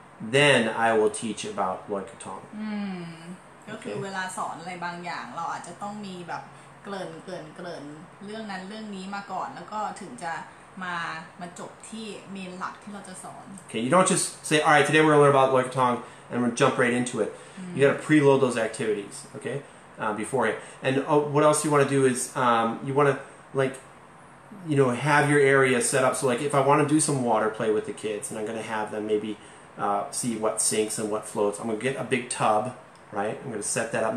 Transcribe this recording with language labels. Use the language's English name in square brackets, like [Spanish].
[English] Then I will teach about Loi Katong. [Thai] ก็คือเวลาสอนอะไรบางอย่างเราอาจจะต้องมีแบบเกริ่นเรื่องนั้นเรื่องนี้มาก่อนแล้วก็ถึงจะมาจบที่เมนหลักที่เราจะสอน [English] Okay, you don't just say, all right, today we're going to learn about Loi Katong and we're jump right into it. You got to preload those activities, okay, beforehand. And what else you want to do is you want to like. You know, have your area set up. So, like, if I want to do some water play with the kids, and I'm going to have them maybe see what sinks and what floats, I'm going to get a big tub, right? I'm going to set that up.